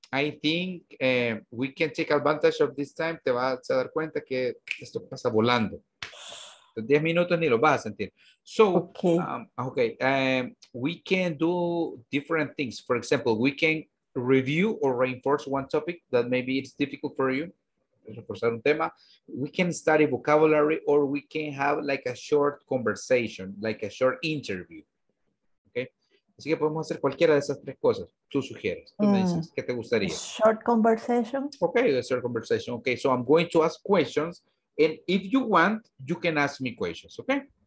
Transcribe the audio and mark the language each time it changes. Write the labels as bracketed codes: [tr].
[en] I think we can take advantage of this time. [es] Te vas a dar cuenta que esto pasa volando. 10 minutos ni lo vas a sentir. So, okay. [en] We can do different things. For example, we can review or reinforce one topic that maybe it's difficult for you. [es] Reforzar un tema. [en] We can study vocabulary or we can have like a short conversation, like a short interview. [es] Así que podemos hacer cualquiera de esas tres cosas. Tú sugieres, tú me dices, ¿qué te gustaría? [en] Short conversation. Okay, a short conversation. Okay, so I'm going to ask questions. And if you want, you can ask me questions, okay?